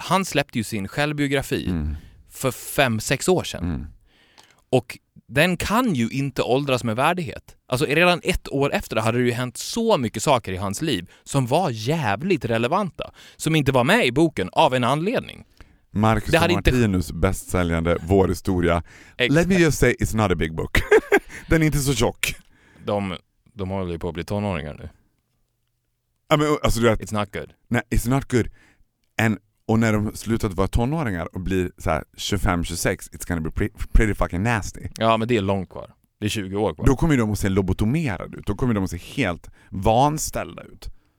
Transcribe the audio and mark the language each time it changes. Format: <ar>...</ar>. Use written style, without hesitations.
<sv>Han släppte ju sin självbiografi för 5-6 år sedan. Mm. Och den kan ju inte åldras med värdighet. Alltså redan ett år efter hade det ju hänt så mycket saker i hans liv som var jävligt relevanta. Som inte var med i boken av en anledning. Marcus Martinus bästsäljande Vår historia.</sv> <en>Let me just say it's not a big book.</en> <sv>Den är inte så tjock. De håller ju på att bli tonåringar nu. Ja, men, alltså, du vet,</sv> <en>it's not good. Nej, it's not good.</en> <sv>Och när de slutat vara tonåringar och blir så här 25-26,</sv> <en>it's gonna be pretty fucking nasty.</en> <sv>Ja, men det är långt kvar. Det är 20 år kvar. Då kommer de att se lobotomerade ut. Då kommer de att se helt vanställda ut.</sv>